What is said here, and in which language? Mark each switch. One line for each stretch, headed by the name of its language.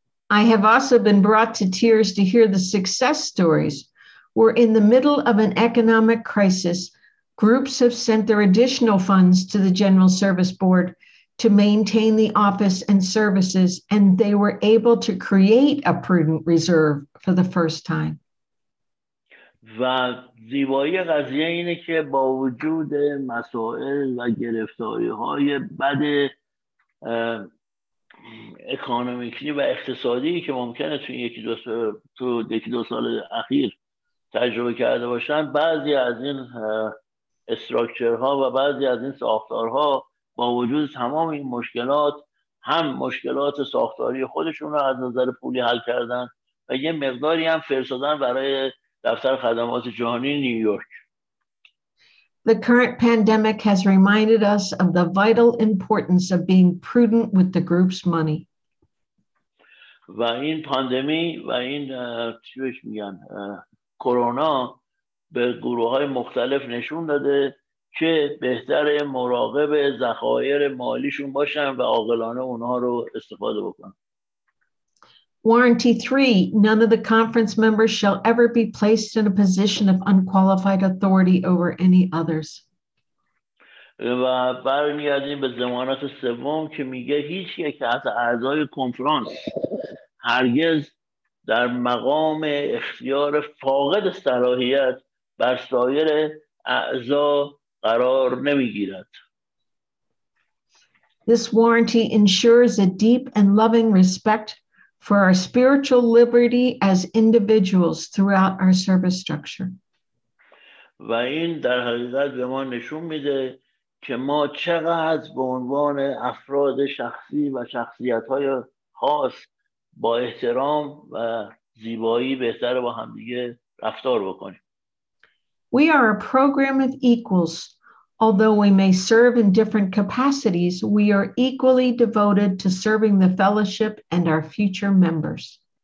English: I have also been brought to tears to hear the success stories. We're in the middle of an economic crisis. Groups have sent their additional funds to the General Service Board to maintain the office and services, and they were able to create a prudent reserve for the first time.
Persian: و زیبایی قضیه اینه که با وجود مسائل و گرفتاری‌های بد اکونومیکی و اقتصادی که ممکنه تو یکی دو سال اخیر تجربه کرده باشن، بعضی از این استراکچرها و بعضی از این ساختارها با وجود تمام این مشکلات، هم مشکلات ساختاری خودشون رو از نظر پولی حل کردن و یه مقداری هم فرستادن برای دفتر خدمات جهانی نیویورک.
English: The current pandemic has reminded us of the vital importance of being prudent with the group's money.
Persian: و این پاندمی و این چیش میگن کرونا به گروه‌های مختلف نشون داده که بهتر مراقب ذخایر مالیشون باشن و عاقلانه اونها رو استفاده بکنن.
English: Warranty 3, none of the conference members shall ever be placed in a position of unqualified authority over any others.
Persian: و برمیگردیم به ضمانت سوم که میگه هیچ یک از اعضای کنفرانس هرگز در مقام اختیار فاقد صلاحیت بر سایر اعضا قرار نمیگیرد.
English: This warranty ensures a deep and loving respect for our spiritual liberty as individuals throughout our service structure.
Persian: و این در حقیقت به ما نشون میده که ما چقدر به عنوان افراد شخصی و شخصیت‌های خاص با احترام و زیبایی بهتر با همدیگه رفتار بکنیم.
English: We are a program of equals. Although we may serve in different capacities, we are equally devoted to serving the fellowship and our future members.